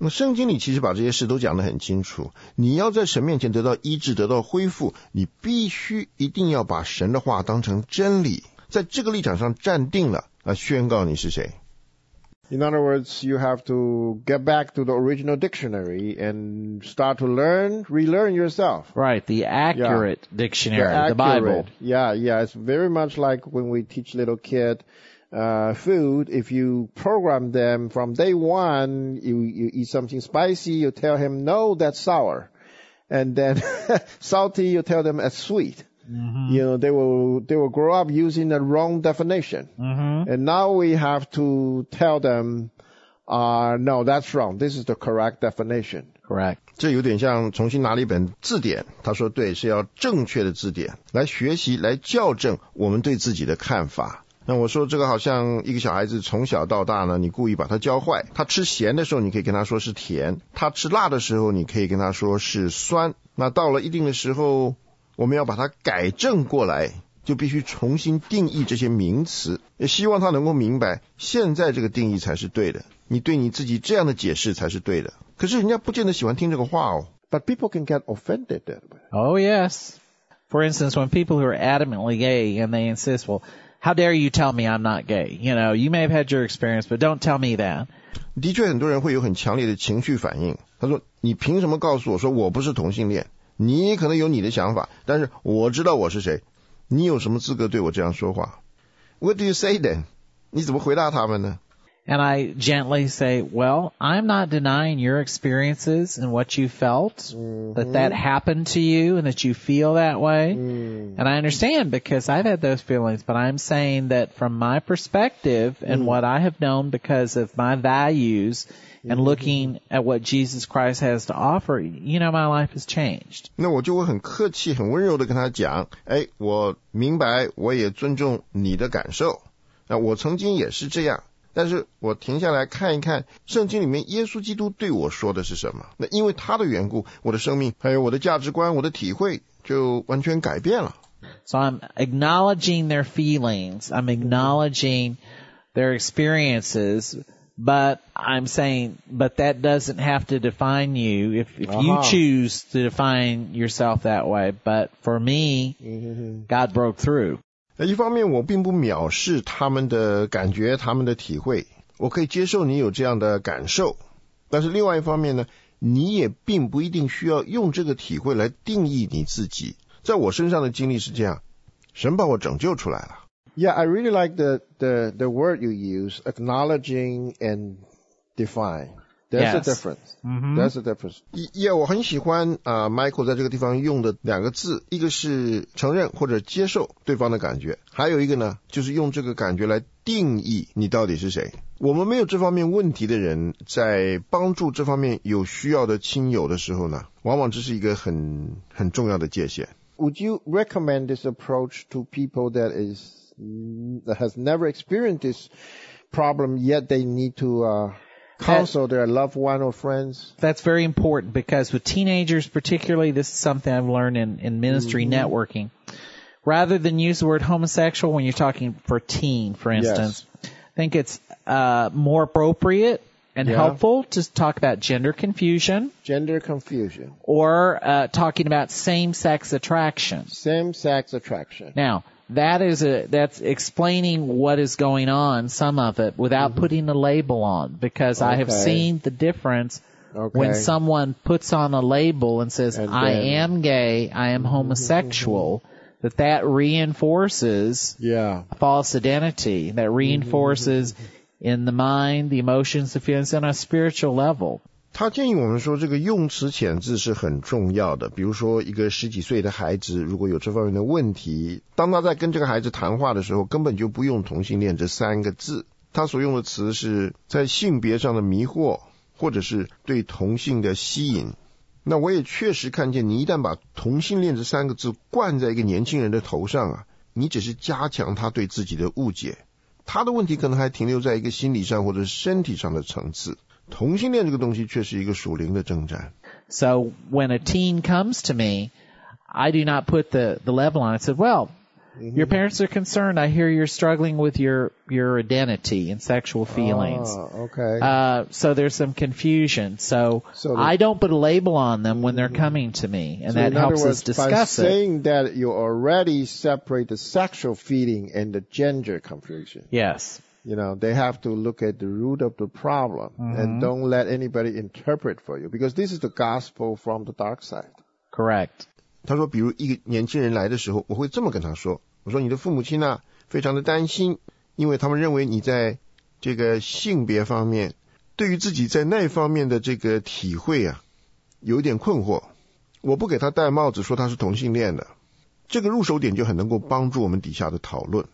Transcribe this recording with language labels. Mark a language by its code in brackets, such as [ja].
[zh] 那圣经里其实把这些事都讲得很清楚。你要在神面前得到医治，得到恢复，你必须一定要把神的话当成真理，在这个立场上站定了，来宣告你是谁。 [en] In other words, you have to get back to the original dictionary and start to learn, relearn yourself. Right, the accurate dictionary, the accurate, the Bible. Yeah, it's very much like when we teach little kid. Food, if you program them from day one, you eat something spicy, you tell him, no, that's sour. And then salty, you tell them it's sweet. You know, they will grow up using the wrong definition. And now we have to tell them, no, that's wrong. This is the correct definition. Correct. [zh] 这有点像重新拿了一本字典，他说对，是要正确的字典，来学习，来校正我们对自己的看法。那我说这个好像一个小孩子从小到大呢，你故意把他教坏。他吃咸的时候，你可以跟他说是甜；他吃辣的时候，你可以跟他说是酸。那到了一定的时候，我们要把它改正过来，就必须重新定义这些名词。也希望他能够明白，现在这个定义才是对的，你对你自己这样的解释才是对的。可是人家不见得喜欢听这个话哦。 [en] But people can get offended that way. Oh yes. For instance, when people who are adamantly gay and they insist, well. How dare you tell me I'm not gay? You know, you may have had your experience, but don't tell me that. [zh] 的确很多人会有很强烈的情绪反应。他说，你凭什么告诉我说我不是同性恋？你可能有你的想法，但是我知道我是谁。你有什么资格对我这样说话？ [en] What do you say then? [zh] 你怎么回答他们呢？ [en] And I gently say, well, I'm not denying your experiences and what you felt, that that happened to you and that you feel that way. And I understand because I've had those feelings, but I'm saying that from my perspective and what I have known because of my values and looking at what Jesus Christ has to offer, you know, my life has changed. [zh] 那我就会很客气很温柔地跟他讲，哎，我明白，我也尊重你的感受。那我曾经也是这样。但是我停下来看一看圣经里面耶稣基督对我说的是什么，那因为他的缘故，我的生命还有我的价值观，我的体会就完全改变了。 [en] So I'm acknowledging their feelings, I'm acknowledging their experiences, but I'm saying, but that doesn't have to define you if you choose to define yourself that way, but for me, God broke through. [zh] 一方面我并不藐视他们的感觉，他们的体会，我可以接受你有这样的感受，但是另外一方面呢，你也并不一定需要用这个体会来定义你自己。在我身上的经历是这样，神把我拯救出来了。 [en] Yeah, I really like the word you use, acknowledging and define. There's a difference. Mm-hmm. There's a difference. [zh] Yeah, 我很喜欢Michael 在这个地方用的两个字，一个是承认或者接受对方的感觉，还有一个呢，就是用这个感觉来定义你到底是谁。我们没有这方面问题的人，在帮助这方面有需要的亲友的时候呢，往往这是一个很重要的界限。 [en] Would you recommend this approach to people that is that has never experienced this problem yet? They need to counsel their loved one or friends. That's very important because with teenagers, particularly, this is something I've learned in ministry mm-hmm. networking. Rather than use the word homosexual when you're talking for a teen, for instance, yes. I think it's more appropriate and helpful to talk about gender confusion. Gender confusion. Or talking about same-sex attraction. Same-sex attraction. Now, that's explaining what is going on, some of it, without mm-hmm. putting a label on. Because I have seen the difference when someone puts on a label and says, and then, I am gay, I am homosexual, mm-hmm. that reinforces a false identity. That reinforces... Mm-hmm. In the mind, the emotions, the feelings, on a spiritual level. [zh] 他建议我们说这个用词遣字是很重要的。比如说一个十几岁的孩子如果有这方面的问题，当他在跟这个孩子谈话的时候，根本就不用同性恋这三个字。他所用的词是在性别上的迷惑，或者是对同性的吸引。那我也确实看见，你一旦把同性恋这三个字灌在一个年轻人的头上啊，你只是加强他对自己的误解。他的问题可能还停留在一个心理上或者身体上的层次，同性恋这个东西却是一个属灵的征战。 [en] So when a teen comes to me, I do not put the label on. I said, well, your parents are concerned. I hear you're struggling with your identity and sexual feelings. Okay. So there's some confusion. So I don't put a label on them when they're coming to me, and so that helps us discuss it. By saying that you already separate the sexual feeling and the gender confusion. Yes. You know, they have to look at the root of the problem and don't let anybody interpret for you, because this is the gospel from the dark side. Correct. [zh] 他说比如一个年轻人来的时候，我会这么跟他说，我说你的父母亲呢、非常的担心，因为他们认为你在这个性别方面对于自己在那方面的这个体会啊有点困惑。我不给他戴帽子说他是同性恋的，这个入手点就很能够帮助我们底下的讨论。